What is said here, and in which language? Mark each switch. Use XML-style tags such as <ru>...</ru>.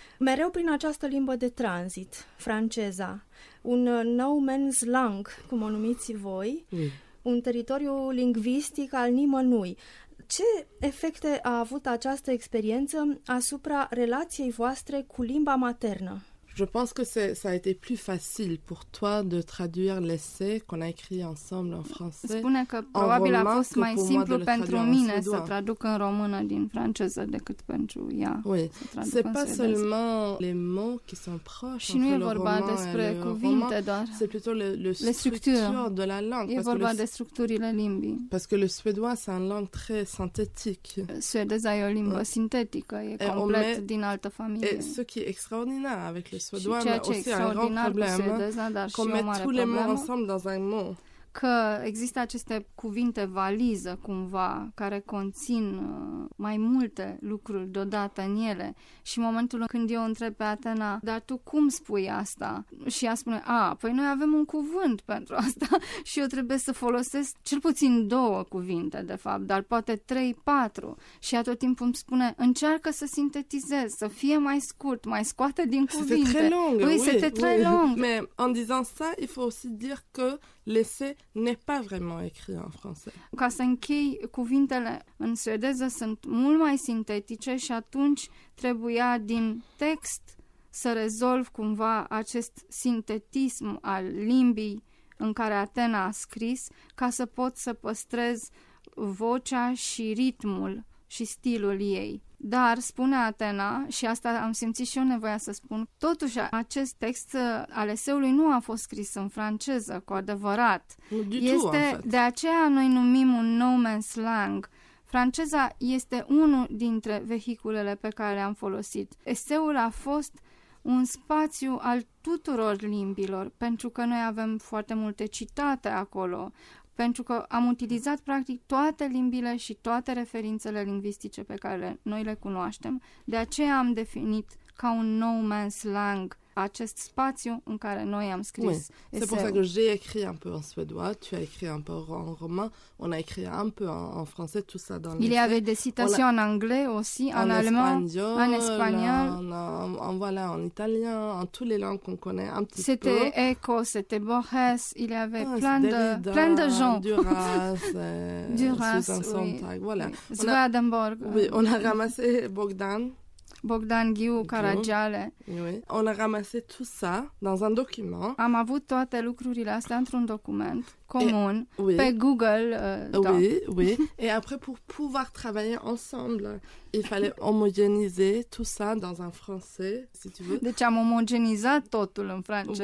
<ro>Mereu prin această limbă de tranzit, franceza, un</ro> <en>no man's land,</en> <ro>cum o numiți voi, un teritoriu lingvistic al nimănui. Ce efecte a avut această experiență asupra relației voastre cu limba maternă?</ro> <fr>Je pense que ça a été plus facile pour toi de traduire l'essai qu'on a écrit ensemble en français.</fr> <ro>Spune că probabil a fost mai simplu pentru mine să traduc în română din franceză decât pentru ea.</ro> <fr>Oui, c'est pas seulement les mots qui sont proches entre le roman et le</fr> <ro>cuvinte,</ro> <fr>roman, c'est plutôt le structure de la langue.</fr> <ro>E vorba de structurile limbii.</ro> <fr>Parce que le suédois, c'est une langue très synthétique.</fr> <ro>Suedeza e o limbă sintetică, e complet din altă familie.</ro> <fr>Et ce qui est extraordinaire avec le suédois, mais aussi un grand problème, qu'on met tous les mots ensemble dans un mot.</fr> <ro>Că există aceste cuvinte valiză, cumva, care conțin mai multe lucruri deodată în ele. Și momentul când eu întreb pe Atena, dar tu cum spui asta? Și ea spune, a, păi noi avem un cuvânt pentru asta și eu trebuie să folosesc cel puțin două cuvinte, de fapt, dar poate trei, patru. Și ea tot timpul îmi spune, încearcă să sintetizezi, să fie mai scurt, mai scoate din cuvinte.</ro> <fr>C'est très long, oui, c'est très long. Mais en disant ça, il faut aussi dire que l'essai n'est pas vraiment écrit en français.</fr> <ro>Ca să închei, cuvintele în suedeză sunt mult mai sintetice și atunci trebuia din text să rezolv cumva acest sintetism al limbii în care Atena a scris ca să pot să păstrez vocea și ritmul și stilul ei. Dar, spune Atena, și asta am simțit și eu nevoia să spun, totuși acest text al eseului nu a fost scris în franceză, cu adevărat. De aceea noi numim un</ro> <en>no man's land.</en> <ro>Franceza este unul dintre vehiculele pe care le-am folosit. Eseul a fost un spațiu al tuturor limbilor, pentru că noi avem foarte multe citate acolo, pentru că am utilizat practic toate limbile și toate referințele lingvistice pe care noi le cunoaștem. De aceea am definit ca un</ro> <en>no man's land</en> <ro>acest spațiu în care noi am scris eseul.</ro> <fr>Oui. C'est pour ça que j'ai écrit un peu en suédois, tu as écrit un peu en romain, on a écrit un peu en français, tout ça dans il y avait des citations en anglais aussi, en allemand, en espagnol. En voilà, en italien, en toutes les langues qu'on connaît un petit c'était peu. C'était Eco, c'était Borges, il y avait plein de gens. Duras, Susan Sontag, voilà. Swedenborg. Oui, on a ramassé Bogdan. Bogdan Ghiu, Caragiale. Oui. On a ramassé tout ça dans un document.</fr> <ro>Am avut toate lucrurile astea într-un document comun pe Google.</ro> <fr>Oui, oui. Et après, pour pouvoir travailler ensemble, il fallait homogéniser tout ça dans un français, si tu veux.</fr> <ro>Deci am omogénisat totul în franceză,</ro>